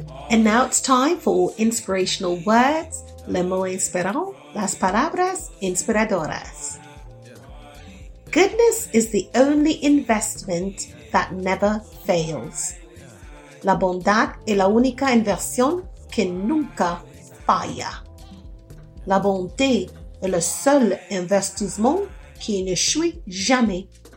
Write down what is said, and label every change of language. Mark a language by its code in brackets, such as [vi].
[en] And now it's time for inspirational words. [fr] Le mot inspirant, [es] las palabras inspiradoras. [en] Goodness is the only investment that never fails. [es] La bondad es la única inversión que nunca falla. [fr] La bonté est le seul investissement qui ne chuit jamais.